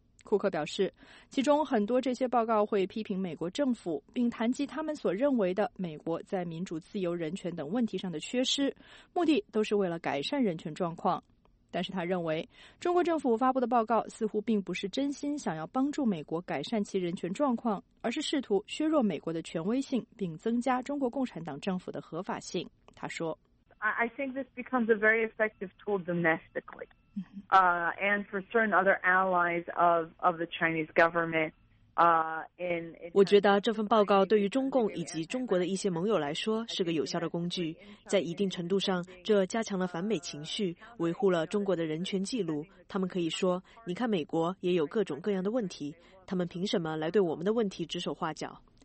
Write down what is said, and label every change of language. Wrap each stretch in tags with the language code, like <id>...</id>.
<zh>库克表示，其中很多这些报告会批评美国政府，并谈及他们所认为的美国在民主、自由、人权等问题上的缺失，目的都是为了改善人权状况。但是他认为，中国政府发布的报告似乎并不是真心想要帮助美国改善其人权状况，而是试图削弱美国的权威性，并增加中国共产党政府的合法性。他说，</zh> <en>I think this becomes a very effective tool domestically. And for certain other allies of the Chinese government, in</en> <zh>我觉得这份报告对于中共以及中国的一些盟友来说是个有效的工具，在一定程度上，这加强了反美情绪，维护了中国的人权记录。他们可以说，你看美国也有各种各样的问题，他们凭什么来对我们的问题指手画脚？</zh>